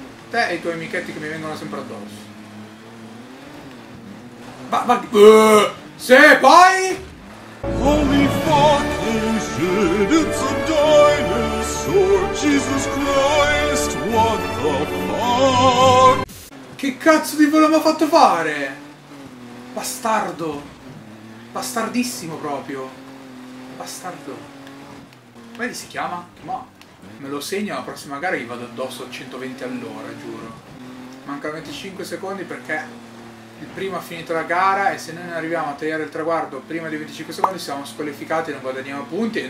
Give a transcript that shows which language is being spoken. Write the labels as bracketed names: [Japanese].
[Italian] Te e i tuoi amichetti che mi vengono sempre addosso. Va! Se poi! [English] Holy fuck, it's a dinosaur, Jesus Christ, what the fuck? [Italian] Che cazzo di volo mi ha fatto fare? Bastardo! Bastardissimo proprio! Bastardo! Come si chiama? Ma me lo segno, alla prossima gara gli vado addosso a 120 all'ora, giuro. Mancano 25 secondi perché il primo ha finito la gara e se noi non arriviamo a tagliare il traguardo prima di 25 secondi siamo squalificati e non guadagniamo punti.